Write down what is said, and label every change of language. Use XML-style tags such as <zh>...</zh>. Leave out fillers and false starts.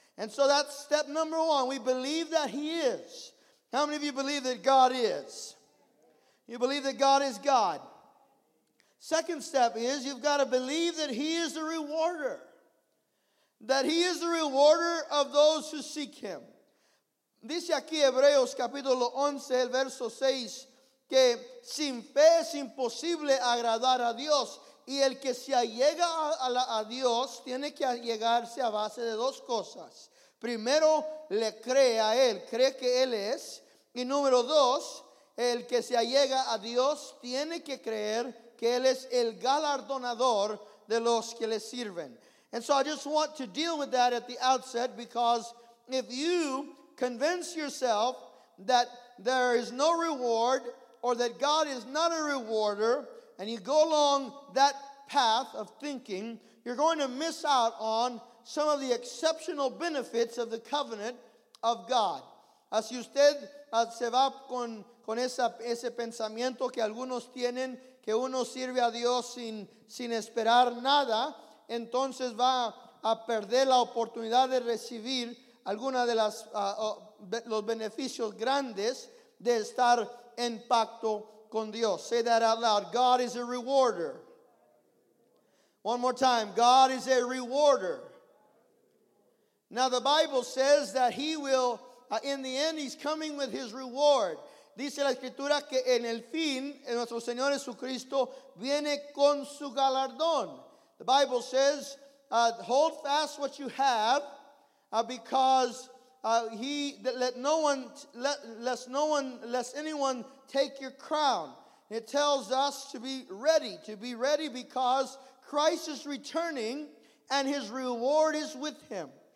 <en>And so that's step number one. We believe that he is. How many of you believe that God is? You believe that God is God. Second step is you've got to believe that he is a rewarder. That he is the rewarder of those who seek him.</en> <es>Dice aquí Hebreos capítulo 11, el verso 6, que sin fe es imposible agradar a Dios. Y el que se allega a Dios tiene que allegarse a base de dos cosas. Primero, le cree a él, cree que él es. Y número dos, el que se allega a Dios tiene que creer que él es el galardonador de los que le sirven.</es> <en>And so I just want to deal with that at the outset, because if you convince yourself that there is no reward or that God is not a rewarder, and you go along that path of thinking, you're going to miss out on some of the exceptional benefits of the covenant of God.</en> <es>Si usted se va con ese pensamiento que algunos tienen, que uno sirve a Dios sin esperar nada, entonces va a perder la oportunidad de recibir alguna de las los beneficios grandes de estar en pacto con Dios.</es> <en>Say that out loud. God is a rewarder. One more time. God is a rewarder. Now the Bible says that he will, in the end, he's coming with his reward.</en> <es>Dice la escritura que en el fin, en nuestro Señor Jesucristo, viene con su galardón.</es> <en>The Bible says, hold fast what you have, because lest anyone take your crown. It tells us to be ready because Christ is returning and his reward is with him.</en>